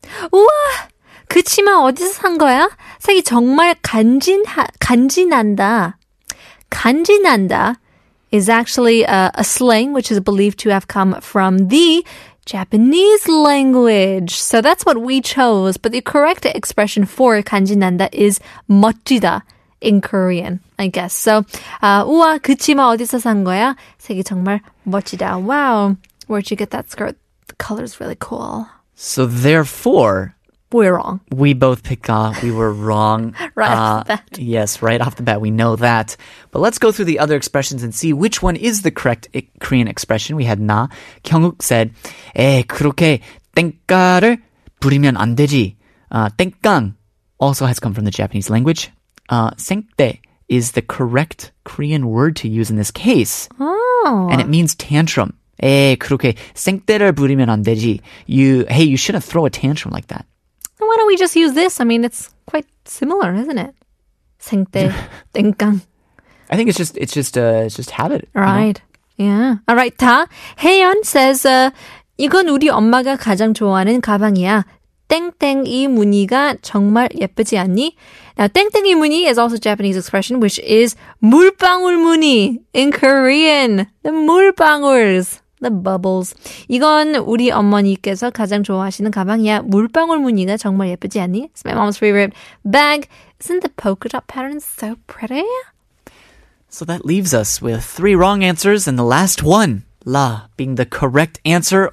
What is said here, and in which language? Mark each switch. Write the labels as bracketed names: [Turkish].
[Korean] 우와, 그 치마 어디서 산 거야? 색이 정말 간지난다. [English] 간지난다 is actually a slang which is believed to have come from the Japanese language. So that's what we chose. But the correct expression for 간지난다 is 멋지다 in Korean, I guess. [Korean] So, 우와, 그 치마 어디서 산 거야? 색이 정말 멋지다. [English] Wow, where'd you get that skirt? The color's really cool. So therefore, we're wrong. We both picked we were wrong. Right off the bat. Yes, right off the bat, we know that. But let's go through the other expressions and see which one is the correct Korean expression. We had na. Kyunguk said, [Korean] 에이, 그렇게 땡가를 부리면 안 되지. [English] 땡깡 also has come from the Japanese language. 생때 is the correct Korean word to use in this case. Oh. And it means tantrum. [Korean] 에이, 그렇게 생때를 부리면 안 되지. [English] You shouldn't throw a tantrum like that. Why don't we just use this? I mean, it's quite similar, isn't it? [Korean] 생때, 땡깡. [English] I think it's just habit. Right. You know? Yeah. All right. 다. [Korean] 혜연 says, 이건 우리 엄마가 가장 좋아하는 가방이야. 땡땡이 무늬가 정말 예쁘지 않니? [English] Now, 땡땡이 무늬 is also a Japanese expression, which is 물방울 무늬 in Korean. The 물방울s. The bubbles. [Korean] 이건 우리 어머니께서 가장 좋아하시는 가방이야. 물방울 무늬가 정말 예쁘지 않니? [English] It's my mom's favorite bag. Isn't the polka dot pattern so pretty? So that leaves us with three wrong answers and the last one, la, being the correct answer.